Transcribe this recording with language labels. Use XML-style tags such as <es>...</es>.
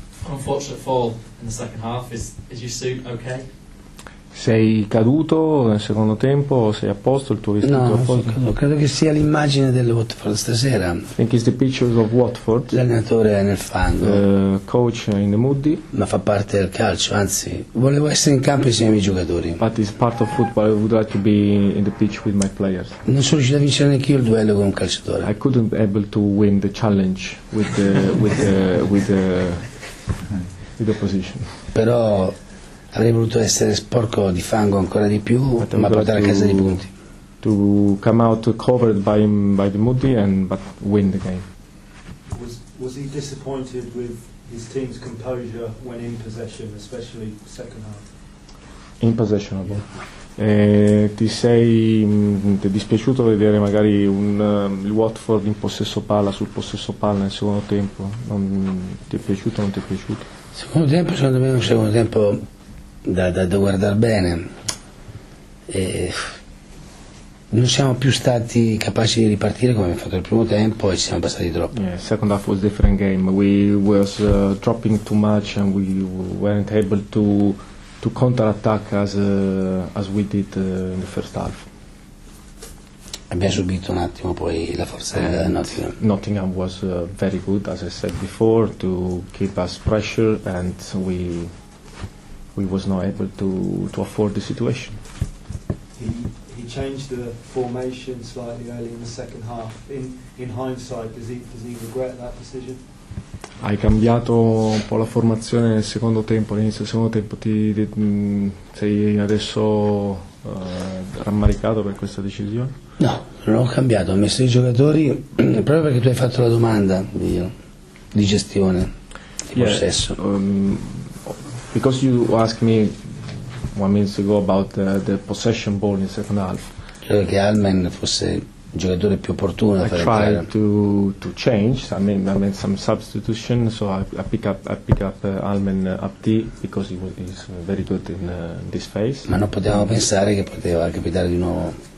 <en>Unfortunate fall in the second half, is your suit okay?</en> <it>Sei caduto nel secondo tempo, sei a posto, il tuo vestito no, a posto? No, credo che sia l'immagine del Watford stasera.</it> <en>I think it's the pictures of Watford.</en> <it>L'allenatore è nel fango.</it> <en>The coach in the moody.</en> <it>Ma fa parte del calcio, anzi, volevo essere in campo insieme ai miei giocatori.</it> <en>But it's part of football, I would like to be in the pitch with my players.</en> <it>Non sono riuscito a vincere neanche io il duello con un calciatore.</it> <en>I couldn't be able to win the challenge with the with opposition.</en> <it>Però avrei voluto essere sporco di fango ancora di più, ma portare a casa dei punti.</it> <en>To come out covered by the Moody and but win the game. Was he disappointed with his team's composure when in possession, especially second half? In possession, yeah.</en> <it>Ti sei ti è dispiaciuto vedere magari il Watford in possesso palla sul possesso palla nel secondo tempo? Ti è piaciuto o non ti è piaciuto? Secondo tempo, secondo me è un secondo tempo da guardare bene. Non siamo più stati capaci di ripartire come abbiamo fatto il primo tempo e ci siamo passati troppo.</it> <en>Yeah, second half was a different game. We were dropping too much and we weren't able to counter-attack as we did in the first half.</en> <it>Abbiamo subito un attimo poi la forza di Nottingham.</it> <en>Nottingham was very good, as I said before, to keep us pressure and we was not able to afford the situation. He changed the formation slightly early in the second half. In hindsight, does he regret that decision?</en> <it>Hai cambiato un po' la formazione nel secondo tempo, all'inizio del secondo tempo sei adesso rammaricato per questa decisione? No, non ho cambiato, ho messo i giocatori proprio perché tu hai fatto la domanda di gestione, di possesso.</it> <en>Because you asked me 1 minute ago about the possession ball in second half.</en> <it>Credo che Almen fosse giocatore più opportuno.</it> <en>I tried to change. I made some substitution. So I pick up Almen up D because he is very good in this phase.</en> <it>Ma non potevamo pensare che poteva capitare di nuovo.</it>